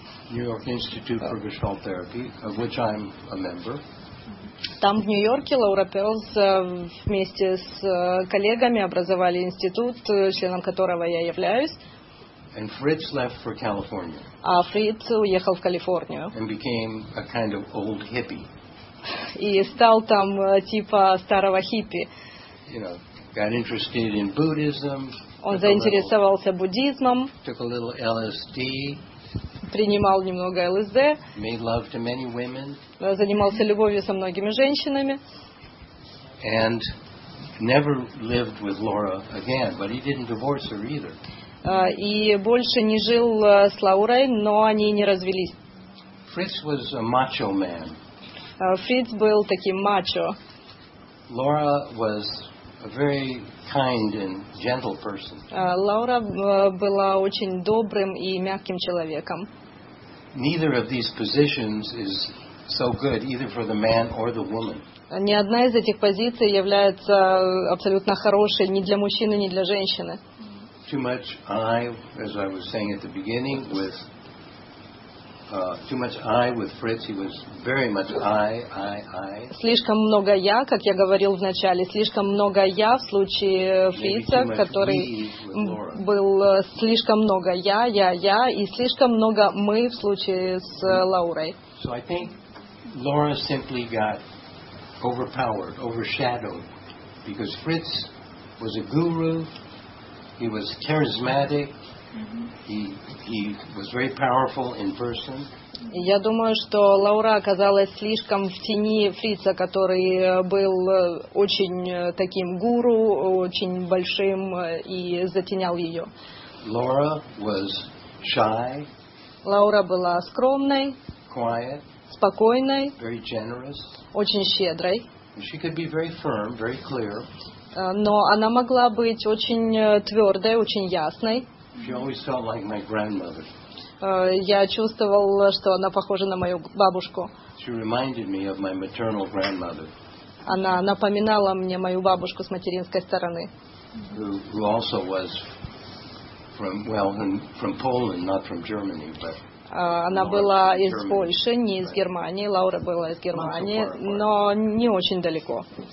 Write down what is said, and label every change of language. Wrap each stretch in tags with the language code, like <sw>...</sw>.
<en>New York Institute for Gestalt Therapy, of which I'm a member.</en> <ru>Там в Нью-Йорке Лаура Перлс вместе с коллегами образовали институт, членом которого я являюсь.</ru> <en>And Fritz left for California.</en> <ru>А Фриц уехал в Калифорнию.</ru> <en>And became a kind of old hippie.</en> <ru>И стал там типа старого хиппи.</ru> <en>You know, got interested in Buddhism.</en> <ru>Он заинтересовался буддизмом,</ru> <en>took a little LSD,</en> <ru>принимал немного ЛСД,</ru> <en>made love to many women,</en> <ru>занимался любовью со многими женщинами,</ru> <en>and never lived with Laura again, but he didn't divorce her either.</en> <ru>И больше не жил с Лаурой, но они не развелись.</ru> <en>Fritz was a macho man.</en> <ru>Фриц был таким мачо.</ru> <en>Laura was a very kind and gentle person.</en> <ru>Лаура была очень добрым и мягким человеком.</ru> <en>Neither of these positions is so good either for the man or the woman.</en> <ru>Ни одна из этих позиций является абсолютно хорошей ни для мужчины, ни для женщины.</ru> <en>Too much I, as I was saying at the beginning, with too much I with Fritz, he was very much I.</en> <ru>Слишком много я, как я говорил в начале, слишком много я в случае Фрица, который был слишком много я, и слишком много мы в случае с Лаурой.</ru> <en>So I think Laura simply got overpowered, overshadowed, because Fritz was a guru, he was charismatic. He was very powerful in person.</en> <ru>Я думаю, что Лаура оказалась слишком в тени Фрица, который был очень таким гуру, очень большим и затенял ее.</ru> <en>Laura was shy.</en> <ru>Лаура была скромной.</ru> <en>Quiet.</en> <ru>Спокойной.</ru> <en>Very generous.</en> <ru>Очень щедрой.</ru> <en>She could be very firm, very clear.</en> <ru>Но она могла быть очень твердой, очень ясной.</ru> <en>She always felt like my grandmother.</en> <ru>Я чувствовал, что она похожа на мою бабушку.</ru> <en>She reminded me of my maternal grandmother.</en> <ru>Она напоминала мне мою бабушку с материнской стороны.</ru> <en>Who also was from Poland, not from Germany, but.</en> <ru>Она была из Польши, не из Германии. Лаура была из Германии, но не очень далеко.</ru>